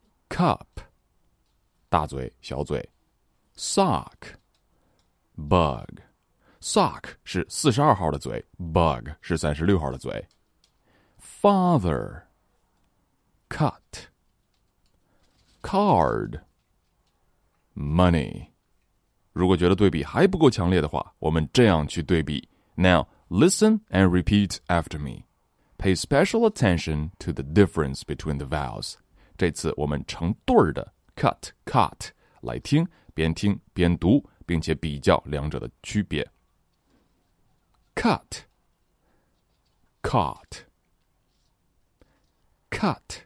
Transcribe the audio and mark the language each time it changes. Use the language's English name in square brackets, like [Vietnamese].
[English] Cup, [Chinese] 大嘴小嘴 [English] ,sock, bug, sock [Chinese] 是42号的嘴 [English] ,bug [Chinese] 是36号的嘴 [English] ,father, cut, card, money. [Chinese] 如果觉得对比还不够强烈的话，我们这样去对比。 [English] Now, listen and repeat after me. Pay special attention to the difference between the vowels. [Chinese] 这次我们成对的 cut 来听，边听边读，并且比较两者的区别。 [English] cut, cot, cut,